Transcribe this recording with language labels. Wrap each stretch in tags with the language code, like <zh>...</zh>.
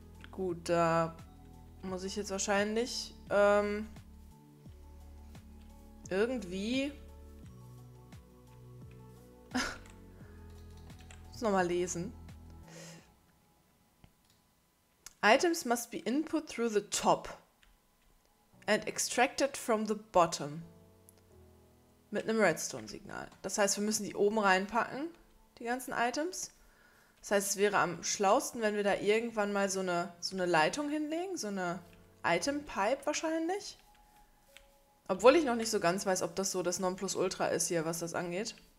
<de>Gut, da muss ich jetzt wahrscheinlich irgendwie nochmal lesen.</de> <en>Items must be input through the top and extracted from the bottom.</en> <de>Mit einem Redstone-Signal. Das heißt, wir müssen die oben reinpacken, die ganzen Items. Das heißt, es wäre am schlausten, wenn wir da irgendwann mal so eine Leitung hinlegen, so eine Item-Pipe wahrscheinlich. Obwohl ich noch nicht so ganz weiß, ob das so das Nonplusultra ist hier, was das angeht.</de>